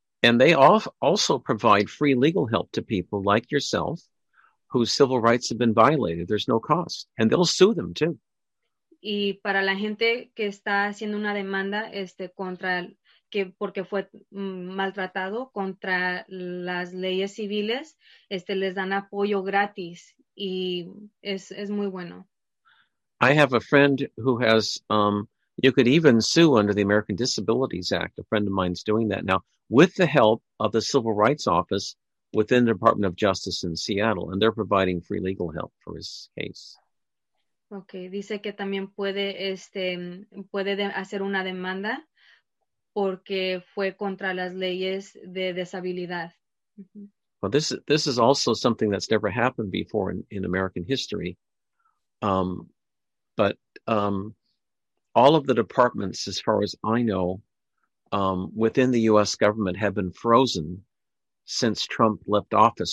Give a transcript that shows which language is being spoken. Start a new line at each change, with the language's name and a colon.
English: And they also provide free legal help to people like yourself, whose civil rights have been violated. There's no cost. And they'll sue them too.
Spanish: Y para la gente que está haciendo una demanda contra porque fue maltratado contra las leyes civiles, les dan apoyo gratis. Y es muy bueno.
English: I have a friend who has, you could even sue under the American Disabilities Act. A friend of mine's doing that now with the help of the Civil Rights Office within the Department of Justice in Seattle, and they're providing free legal help for his case.
Spanish: Okay, dice que también puede, puede hacer una demanda porque fue contra las leyes de desabilidad.
English: Well, this is also something that's never happened before in American history. But all of the departments, as far as I know, within the U.S. government have been frozen since Trump left office.